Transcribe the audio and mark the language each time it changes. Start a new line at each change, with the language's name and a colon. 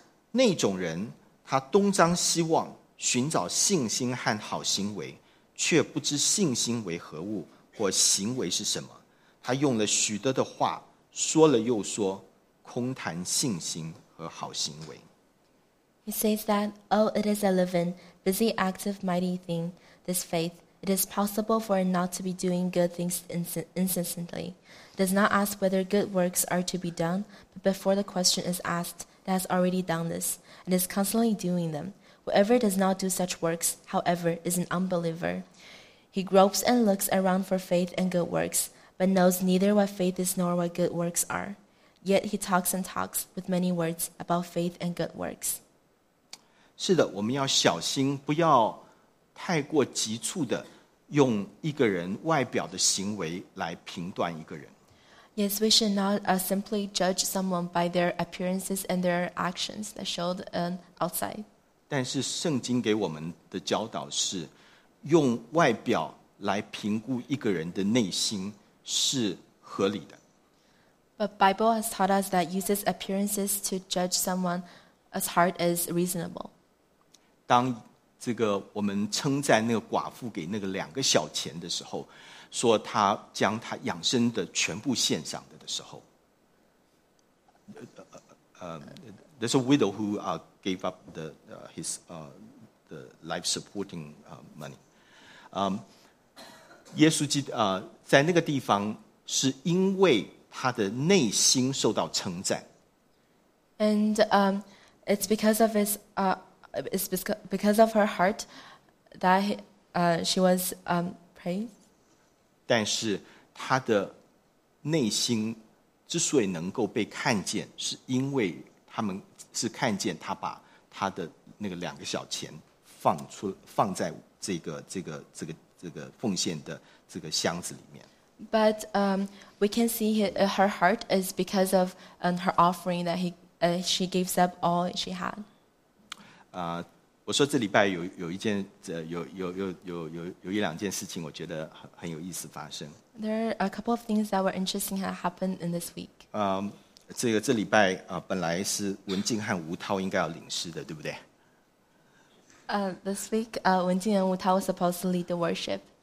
Chinese: 那种人他东张西望寻找信心和好行为，却不知信心为何物或行为是什么。他用了许多的话说了又说，空谈信心和好行为。
English: He says that, oh, it is a living, busy, active, mighty thing, this faith. It is possible for it not to be doing good things incessantly. It does not ask whether good works are to be done, but before the question is asked, it has already done this, and is constantly doing them. Whoever does not do such works, however, is an unbeliever. He gropes and looks around for faith and good works,but knows neither what faith is nor what good works are. Yet he talks and talks with many words about faith and good works.
Chinese: 是的，我们要小心，不要太过急促的用一个人外表的行为来评断一个人。
English: Yes, we should not simply judge someone by their appearances and their actions that showed outside.
Chinese: 但是圣经给我们的教导是，用外表来评估一个人的内心是合理的。
English: But Bible has taught us that uses appearances to judge someone's heart is reasonable.
Chinese: 当这个我们称赞那个寡妇给那个两个小钱的时候，说她将她养生的全部献上的时候 ，
English: there's a widow who gave up the his the life supporting money.
Chinese: 耶稣基督在那个地方是因为他的内心受到称赞。
English: And it's because of his it's because of her heart that she was praised.
Chinese: 但是他的内心之所以能够被看见，是因为他们是看见他把他的那个两个小钱放在这个奉献的这个箱子里面。
English: But we can see her heart is because of her offering that she gives up all she had.
Chinese: 我说这礼拜有一件有一两件事情，我觉得很有意思发生。
English: There are a couple of things that were interesting that happened in this week.
Chinese: 这礼拜本来是文静和吴涛应该要领诗的，对不对？
English: This week, 文静和吴涛 was supposed to lead the worship.